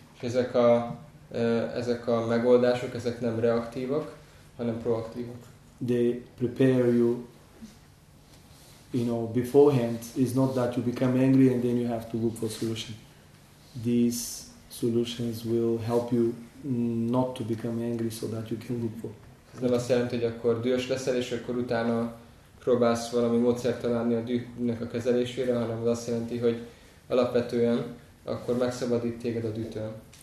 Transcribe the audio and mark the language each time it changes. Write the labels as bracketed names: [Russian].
[Hungarian] És ezek a megoldások, ezek nem reaktívak, hanem proaktívak. [English] They prepare you, you know, beforehand. It's not that you become angry and then you have to look for a solution. These solutions will help you not to become angry so that you can look for. [Hungarian] Ez nem azt jelenti, hogy akkor dühös leszel, és akkor utána próbálsz valami módszert találni a dühnek a kezelésére, hanem az azt jelenti, hogy alapvetően akkor megszabadít téged a dühtől.